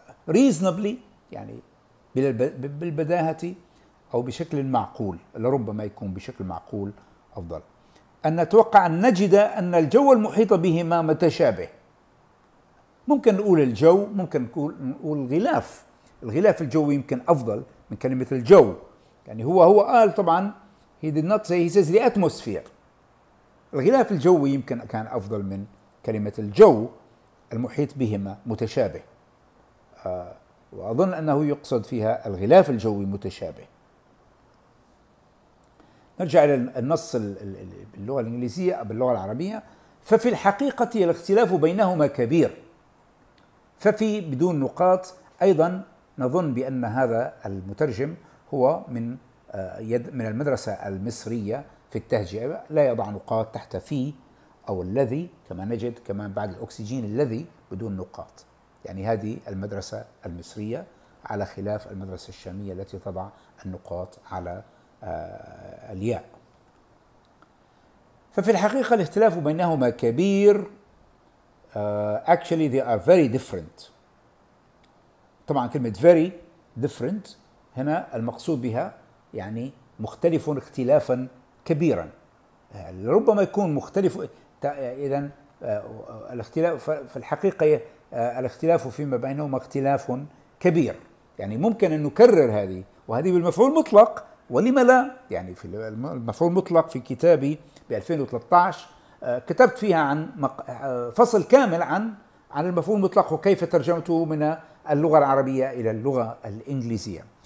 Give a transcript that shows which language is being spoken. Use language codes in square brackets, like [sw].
[ar] reasonably يعني بالبداهة أو بشكل معقول، لربما يكون بشكل معقول أفضل، أن نتوقع أن نجد أن الجو المحيط بهما متشابه. ممكن نقول الجو، ممكن نقول الغلاف، الغلاف الجوي يمكن أفضل من كلمة الجو. يعني هو قال طبعا [en] he did not say, he says the atmosphere. [ar] الغلاف الجوي يمكن كان أفضل من كلمة الجو، المحيط بهما متشابه. وأظن أنه يقصد فيها الغلاف الجوي متشابه. نرجع إلى النص باللغة الإنجليزية أو باللغة العربية. ففي الحقيقة الاختلاف بينهما كبير. ففي بدون نقاط أيضا نظن بأن هذا المترجم هو من المدرسة المصرية في التهجئة، لا يضع نقاط تحت في أو الذي، كما نجد كمان بعد الأكسجين الذي بدون نقاط. يعني هذه المدرسة المصرية على خلاف المدرسة الشامية التي تضع النقاط على الياء. ففي الحقيقة الاختلاف بينهما كبير. [en] Actually they are very different. [ar] طبعا كلمة very different هنا المقصود بها يعني مختلف اختلافا كبيرا، ربما يكون مختلف. إذا الاختلاف في الحقيقة الاختلاف فيما بينهما اختلاف كبير، يعني ممكن أن نكرر هذه، وهذه بالمفعول المطلق، ولما لا؟ يعني في المفعول المطلق في كتابي ب 2013 كتبت فيها عن فصل كامل عن المفعول المطلق وكيف ترجمته من اللغة العربية إلى اللغة الإنجليزية.